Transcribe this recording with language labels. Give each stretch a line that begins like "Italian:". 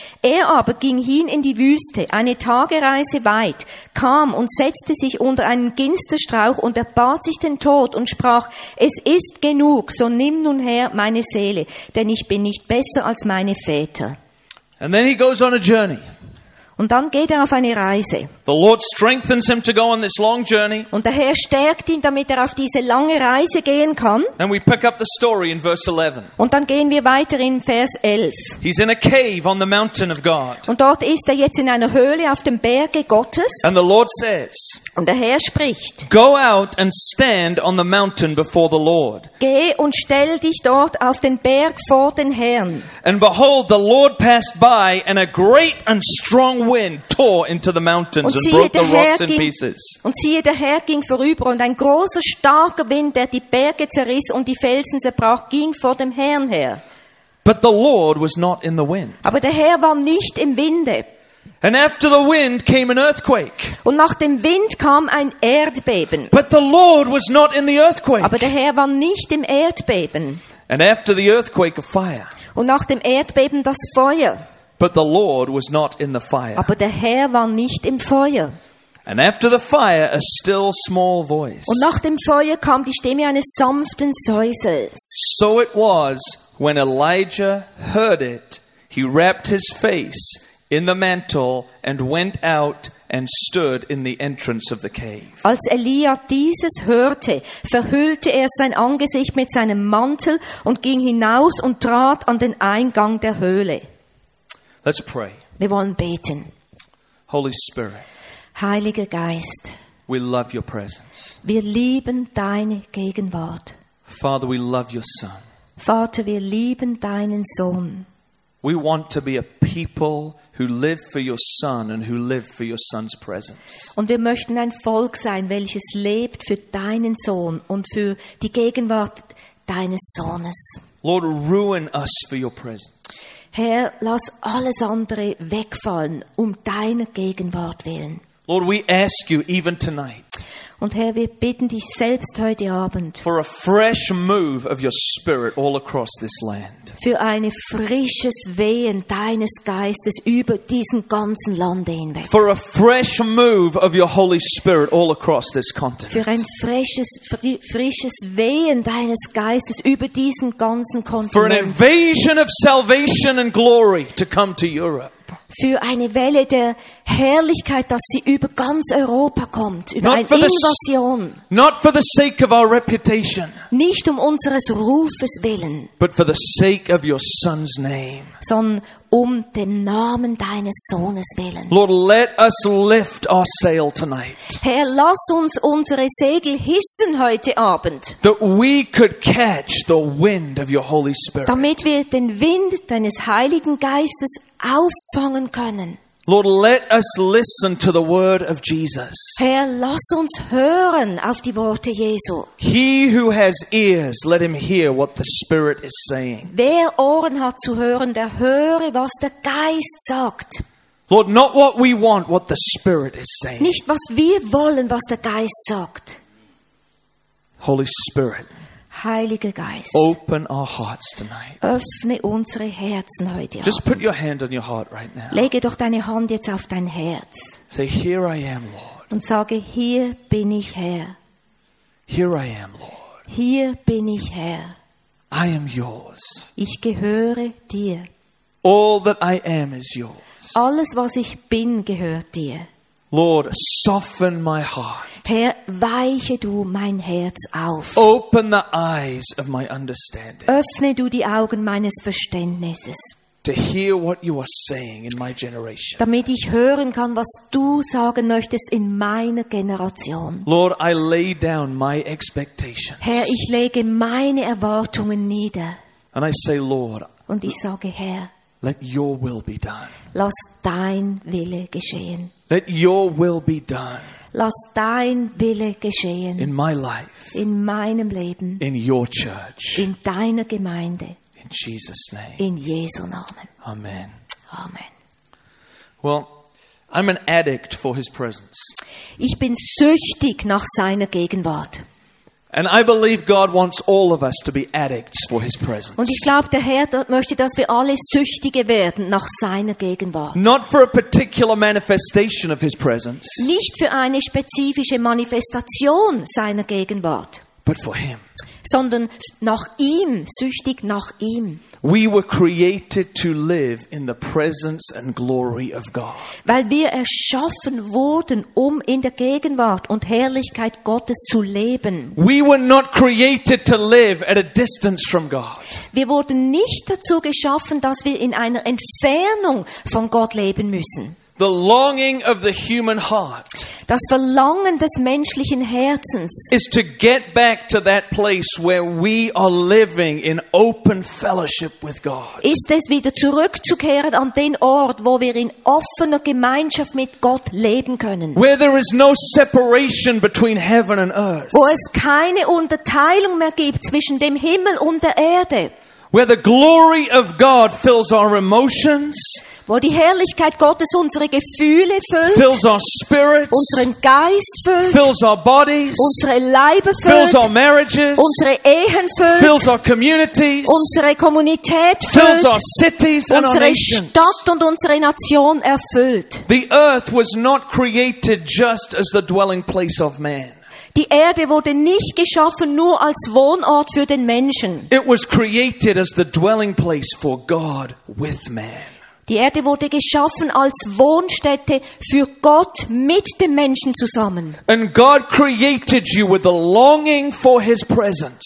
German: Er aber ging hin in die Wüste, eine Tagereise weit, kam und setzte sich unter einen Ginsterstrauch und erbat sich den Tod und sprach, "Es ist genug, so nimm nun her meine Seele, denn ich bin nicht besser als meine Väter."
English: And then he goes on a journey.
German: Und dann geht auf eine Reise.
English: The Lord strengthens him to go on this long journey.
German: Und der Herr stärkt ihn, damit auf diese lange Reise gehen kann.
English: And we pick up the story in verse 11.
German: Und dann gehen wir weiter in Vers 11.
English: He's in a cave on the mountain of God.
German: Und dort ist jetzt in einer Höhle auf dem Berge Gottes.
English: And the Lord says.
German: Und der Herr spricht.
English: Go out and stand on the mountain before the Lord.
German: Geh und stell dich dort auf den Berg vor den Herrn.
English: And behold, the Lord passed by, and a great and strong wind tore into the mountains and broke the rocks in pieces.
German: Und siehe, der Herr ging vorüber, und ein großer starker Wind, der die Berge zerriss und die Felsen zerbrach, ging vor dem Herrn her.
English: But the Lord was not in the wind.
German: Aber der Herr war nicht im Winde.
English: And after the wind came an earthquake.
German: Und nach dem Wind kam ein Erdbeben.
English: But the Lord was not in the earthquake.
German: Aber der Herr war nicht im Erdbeben.
English: And after the earthquake, a fire.
German: Und nach dem Erdbeben das Feuer.
English: But the Lord was not in the fire.
German: Aber der Herr war nicht im Feuer.
English: And after the fire, a still small voice.
German: Und nach dem Feuer kam die Stimme eines sanften Säusels.
English: So it was when Elijah heard it, he wrapped his face in the mantle and went out and stood in the entrance of the cave.
German: Als Elia dieses hörte, verhüllte sein Angesicht mit seinem Mantel und ging hinaus und trat an den Eingang der Höhle.
English: Let's pray.
German: Wir wollen beten.
English: Holy Spirit.
German: Heiliger Geist.
English: We love your presence.
German: Wir lieben deine Gegenwart.
English: Father, we love your son.
German: Vater, wir lieben deinen Sohn.
English: We want to be a people who live for your son and who live for your son's presence.
German: Und wir möchten ein Volk sein, welches lebt für deinen Sohn und für die Gegenwart deines Sohnes.
English: Lord, ruin us for your presence.
German: Herr, lass alles andere wegfallen deiner Gegenwart willen.
English: Lord, we ask you even tonight.
German: Und Herr, wir bitten dich selbst heute Abend
English: for a fresh move of your spirit all across this land.
German: Für ein frisches Wehen deines Geistes über diesen ganzen Land hinweg.
English: For a fresh move of your Holy Spirit all across this continent.
German: Für ein frisches Wehen deines Geistes über diesen ganzen Kontinent.
English: For an invasion of salvation and glory to come to Europe.
German: Für eine Welle der Herrlichkeit, dass sie über ganz Europa kommt, über eine Invasion.
English: Not for the sake of our reputation.
German: Nicht unseres Rufes willen.
English: But for the sake of your son's name.
German: Sondern dem Namen deines Sohnes willen.
English: Lord, let us lift our sail tonight.
German: Herr, lass uns unsere Segel hissen heute Abend.
English: That we could catch the wind of your Holy Spirit.
German: Damit wir den Wind deines Heiligen Geistes auffangen können.
English: Lord, let us listen to the word of Jesus.
German: Herr, lass uns hören auf die Worte Jesu.
English: He who has ears, let him hear what the Spirit is saying.
German: Wer Ohren hat zu hören, der höre, was der Geist sagt.
English: Lord, not what we want, what the Spirit is saying.
German: Nicht was wir wollen, was der Geist sagt.
English: Holy Spirit.
German: Heiliger Geist.
English: Open our hearts tonight.
German: Öffne unsere Herzen heute Abend.
English: Just put your hand on your heart right now.
German: Lege doch deine Hand jetzt auf dein Herz.
English: Say, here I am, Lord.
German: Und sage, hier bin ich, Herr.
English: Here I am, Lord.
German: Hier bin ich, Herr.
English: I am yours.
German: Ich gehöre dir.
English: All that I am is yours.
German: Alles, was ich bin, gehört dir.
English: Lord, soften my heart.
German: Herr, weiche du mein Herz auf.
English: Open the eyes of my understanding.
German: Öffne du die Augen meines Verständnisses.
English: To hear what you are saying in my generation.
German: Damit ich hören kann, was du sagen möchtest in meiner Generation.
English: Lord, I lay down my expectations.
German: Herr, ich lege meine Erwartungen nieder.
English: And I say, Lord,
German: und ich sage, Herr,
English: let your will be done.
German: Lass dein Wille geschehen.
English: Let your will be done.
German: Lass dein Wille geschehen.
English: In my life.
German: In meinem Leben.
English: In your church.
German: In deiner Gemeinde.
English: In Jesus' name.
German: In Jesu Namen.
English: Amen.
German: Amen.
English: Well, I'm an addict for his presence.
German: Ich bin süchtig nach seiner Gegenwart.
English: And I believe God wants all of us to be addicts for his presence.
German: Und ich glaube, der Herr möchte, dass wir alle süchtige werden nach seiner Gegenwart.
English: Not for a particular manifestation of his presence.
German: Nicht für eine spezifische Manifestation seiner Gegenwart.
English: but for him.
German: Sondern nach ihm, süchtig nach ihm.
English: We were created to live in the presence and glory of God.
German: Weil wir erschaffen wurden, um in der Gegenwart und Herrlichkeit Gottes zu leben.
English: We were not created to live at a distance from God.
German: Wir wurden nicht dazu geschaffen, dass wir in einer Entfernung von Gott leben müssen.
English: The longing of the human heart.
German: Das Verlangen des menschlichen Herzens
English: is to get back to that place where we are living in open fellowship with God.
German: Ist es wieder zurückzukehren an den Ort, wo wir in offener Gemeinschaft mit Gott leben können.
English: Where there is no separation between heaven and earth.
German: Wo es keine Unterteilung mehr gibt zwischen dem Himmel und der Erde.
English: Where the glory of God fills our emotions.
German: Wo die Herrlichkeit Gottes unsere Gefühle füllt,
English: fills our spirits,
German: unseren Geist füllt,
English: fills our bodies,
German: unsere Leibe füllt,
English: fills our marriages,
German: unsere Ehen füllt,
English: fills our communities,
German: unsere Kommunität füllt,
English: fills our cities and
German: unsere
English: our nations.
German: Stadt und unsere Nation erfüllt.
English: The earth was not created just as the dwelling place of man.
German: Die Erde wurde nicht geschaffen nur als Wohnort für den Menschen.
English: It was created as the dwelling place for God with man.
German: Die Erde wurde geschaffen als Wohnstätte für Gott mit dem Menschen zusammen.
English: And God created you with a longing for his presence.